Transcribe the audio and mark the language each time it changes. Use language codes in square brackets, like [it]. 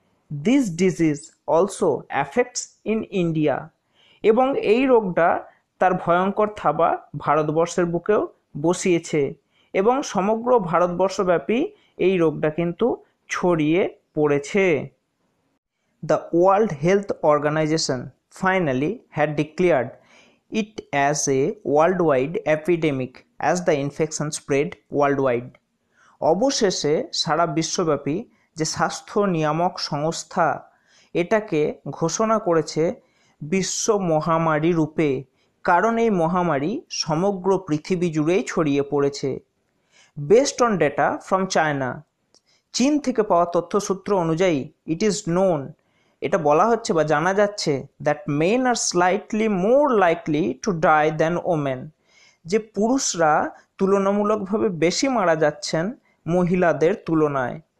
[en] this disease also affects in India, [bn] এবং এই রোগটা তার ভয়ঙ্কর থাবা ভারতবর্ষের বুকেও বসিয়েছে এবং সমগ্র ভারতবর্ষব্যাপী এই রোগটা কিন্তু ছড়িয়ে পড়েছে। [en] The World Health Organization finally had declared it as a worldwide epidemic as the infection spread worldwide. [bn] অবশেষে সারা বিশ্বব্যাপী যে স্বাস্থ্য নিয়ামক সংস্থা এটাকে ঘোষণা করেছে বিশ্ব মহামারী রূপে, কারণ এই মহামারী সমগ্র পৃথিবী জুড়েই ছড়িয়ে পড়েছে। [en] based on data from China, [bn] চীন থেকে পাওয়া তথ্যসূত্র অনুযায়ী [en] it is known, [bn] এটা বলা হচ্ছে বা জানা যাচ্ছে, [en] that men are slightly more likely to die than women, [bn] যে পুরুষরা তুলনামূলকভাবে বেশি মারা যাচ্ছেন মহিলাদের তুলনায়।